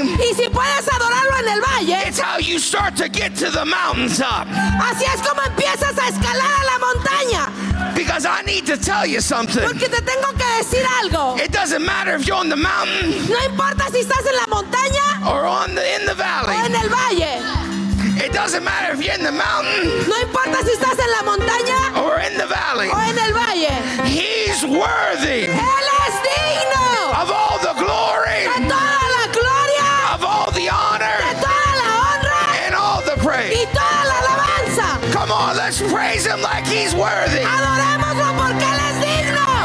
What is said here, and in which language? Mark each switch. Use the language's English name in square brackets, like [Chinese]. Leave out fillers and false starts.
[Spanish] y si puedes adorarlo en el valle, [English] it's how you start to get to the mountaintop. [Spanish] Así es como empiezas a escalar a la montaña. [English] Because I need to tell you something. [Spanish] Porque te tengo que decir algo. [English] It doesn't matter if you're on the mountain, [Spanish] no importa si estás en la montaña, [English] or on the, in the valley, [Spanish] o en el valle. [English] It doesn't matter if you're in the mountain, [Spanish] no importa si estás en la montaña, [English] or in the valley, [Spanish] o en el valle. [English] He's worthy. [Spanish] Él es digno. [English] Of all the glory. [Spanish] De toda la gloria. [English] Of all the honor. [Spanish] De toda la honra. [English] And all the praise. [Spanish] Y toda la alabanza. [English] Come on, let's praise him like he's worthy. [Spanish] Adorémoslo porque él es digno.